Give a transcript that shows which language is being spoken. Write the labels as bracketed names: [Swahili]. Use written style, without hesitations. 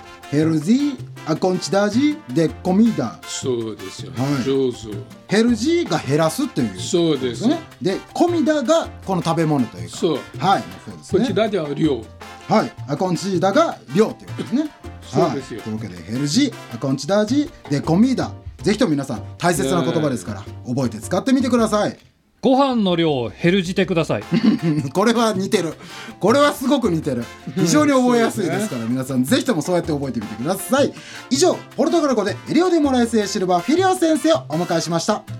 [Portuguese] Reduzir a quantidade de comida。 [Japanese] そうですよ、上手。 Reduzir が減らすという。そうですね。で、comida がこの食べ物というか。そう。はい、そうですね。 quantidade は量。はい、a quantidade が量ということですね。そうですよ。 [Portuguese] というわけで、Reduzir a quantidade de comida。 [Japanese] ぜひとも皆さん大切な言葉ですから覚えて使ってみてください。ご飯の量を減るじてくださいこれは似てる、これはすごく似てる、非常に覚えやすいですから皆さんぜひともそうやって覚えてみてください。以上、ポルトガル語でエリオデモライスエシルバーフィリオ先生をお迎えしました。